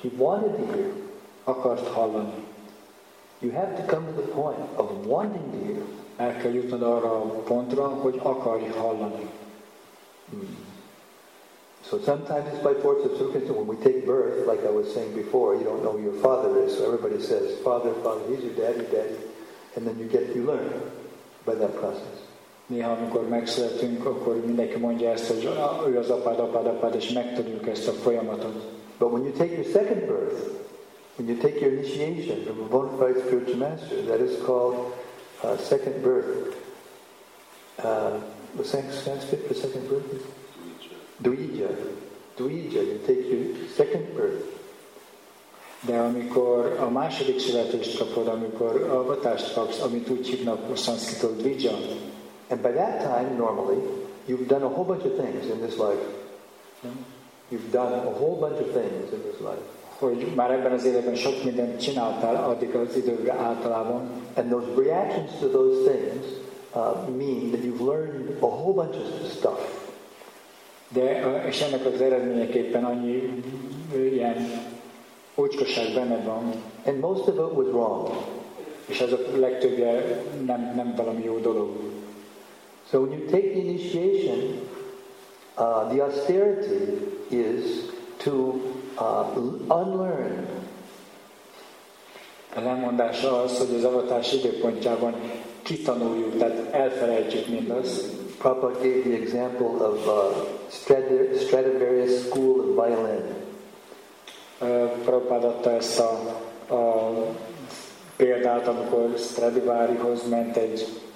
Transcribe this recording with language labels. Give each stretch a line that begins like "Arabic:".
English: He wanted to hear.
Hungarian: Akart hallani.
English: You have to come to the point of wanting to hear.
Hungarian: El kell jutnod arra a pontra, hogy akarj hallani.
English: So sometimes it's by force of circumstance. When we take birth, like I was saying before, you don't know who your father is. So everybody says, father, father, he's your daddy, daddy. And then you learn by that process.
Hungarian: Néha, amikor megszületünk, akkor mindenki mondja ezt, hogy ő az apád, apád, apád, és megtudjuk ezt a folyamatot.
English: But when you take your second birth, when you take your initiation from a bona fide spiritual master, that is called second birth. What's that Sanskrit for second birth? Dvija. Dvija. You take your second birth.
Hungarian: De amikor a második születést kapod, amikor avatást kapsz, amit úgy hívnak a szanszkritból dvija.
English: And by that time, normally, you've done a whole bunch of things in this life. You've done a whole bunch of things in this life.
Hungarian: Hogy már ebben az életben sok mindent csináltál, addig az időre általában.
English: And those reactions to those things mean that you've learned a whole bunch of stuff.
Hungarian: De és ennek az eredményeképpen annyi ilyen ócskosság benne van.
English: And most of it was wrong.
Hungarian: És ez a legtöbbje nem valami jó dolog.
English: So when you take the initiation, the austerity is to unlearn.
Hungarian: A lemondás az, hogy az avatás időpontjában kitanuljuk, tehát elfelejtjük mindazt.
English: Prabhupada gave the example of Stradivarius school of violin.
Hungarian: Prabhupada adta ezt a példát, amikor Stradivarihoz ment egy.